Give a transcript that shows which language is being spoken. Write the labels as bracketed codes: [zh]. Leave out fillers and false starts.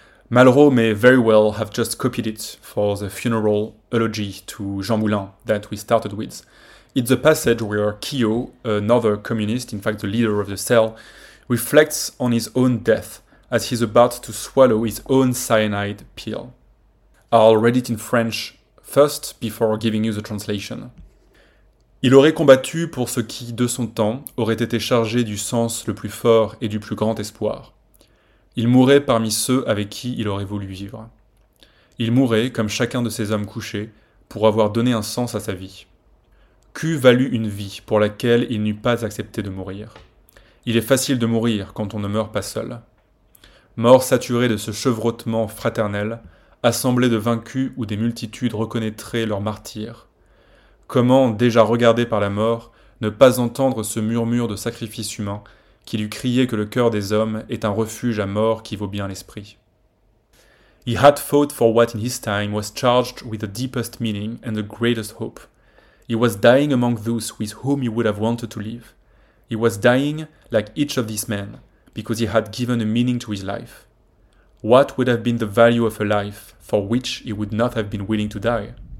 [en] Malraux may very well have just copied it for the funeral elegy to Jean Moulin that we started with. It's a passage where Kyo, another communist, in fact the leader of the cell, reflects on his own death as he's about to swallow his own cyanide pill. I'll read it in French first before giving you the translation. [fr] Il aurait combattu pour ce qui, de son temps, aurait été chargé du sens le plus fort et du plus grand espoir. Il mourait parmi ceux avec qui il aurait voulu vivre. Il mourait, comme chacun de ces hommes couchés, pour avoir donné un sens à sa vie. Qu'eût valu une vie pour laquelle il n'eût pas accepté de mourir. Il est facile de mourir quand on ne meurt pas seul. Mort saturé de ce chevrotement fraternel, assemblée de vaincus où des multitudes reconnaîtraient leurs martyrs. Comment, déjà regardé par la mort, ne pas entendre ce murmure de sacrifice humain qui lui criait que le cœur des hommes est un refuge à mort qui vaut bien l'esprit. [en] He had fought for what in his time was charged with the deepest meaning and the greatest hope. He was dying among those with whom he would have wanted to live. He was dying like each of these men, because he had given a meaning to his life. What would have been the value of a life for which he would not have been willing to die?